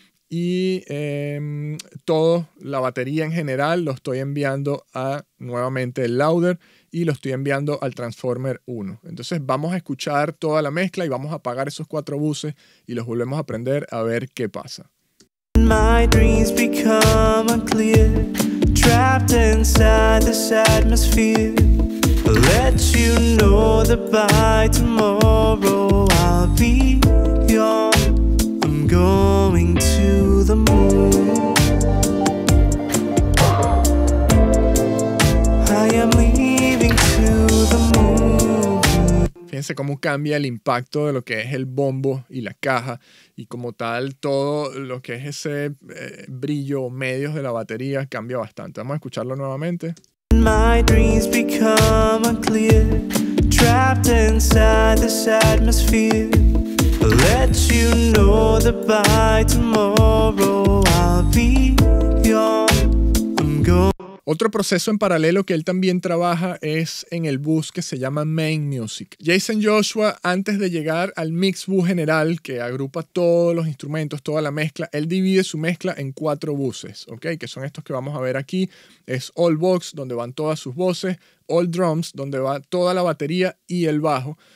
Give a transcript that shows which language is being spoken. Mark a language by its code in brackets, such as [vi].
[es] Y todo, la batería en general, lo estoy enviando a nuevamente el Louder y lo estoy enviando al Transformer 1. Entonces vamos a escuchar toda la mezcla y vamos a apagar esos cuatro buses y los volvemos a prender a ver qué pasa. [en] My dreams become unclear, trapped inside this atmosphere. I'll let you know that by tomorrow I'll be gone. Going to the moon. I am leaving to the moon. [es] Fíjense cómo cambia el impacto de lo que es el bombo y la caja y como tal todo lo que es ese brillo medios de la batería cambia bastante. Vamos a escucharlo nuevamente. [en] My dreams become unclear, trapped inside this atmosphere. I'll let you know that by tomorrow I'll be gone. I'm gone. [es] Otro proceso en paralelo que él también trabaja es en el bus que se llama Main Music. Jason Joshua, antes de llegar al Mix Bus general, que agrupa todos los instrumentos, toda la mezcla, él divide su mezcla en 4 buses, ¿okay? Que son estos que vamos a ver aquí. Es All Box, donde van todas sus voces, All Drums, donde va toda la batería y el bajo.